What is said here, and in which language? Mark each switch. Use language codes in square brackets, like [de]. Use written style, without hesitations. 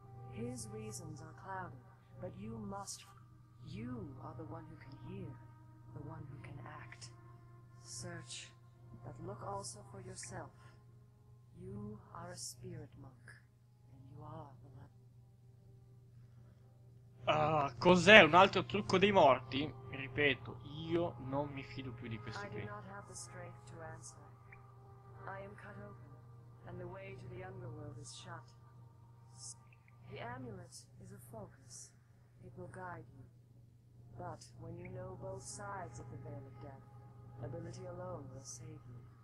[en] His reasons are clouded, but you must. You are the one who can hear, the one who can act. Search, but look also for yourself. You are a spirit monk, and you are the one. [it] Cos'è un altro trucco dei morti? Ripeto, io non mi fido più di questi qui. [en] I am cut open, and the way to the underworld is shut. The amulet is a focus. It will guide you. But when you know both sides of the veil of death, ability alone will save you.